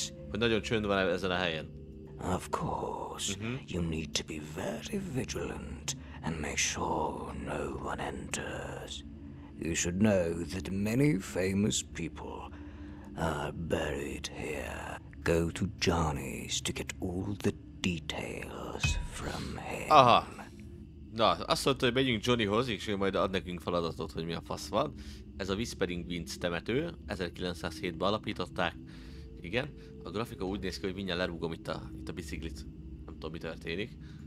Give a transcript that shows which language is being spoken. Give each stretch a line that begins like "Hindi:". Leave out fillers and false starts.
Hungarian: Hogy nagyon csönd van ezen a helyen.
English: Of course, you need to be very vigilant and make sure no one enters. You should know that many famous people are buried here. Go to Johnny's to get all the details from him. Aha.
Hungarian: Na, azt mondta, hogy megyünk Johnnyhoz, és ő majd ad nekünk feladatot, hogy mi a fasz van. Ez a Whispering Winds temető, 1907-ben alapították. Igen, a grafika úgy néz ki, hogy mindjárt lerúgom itt a biciklit. Nem tudom, mi történik.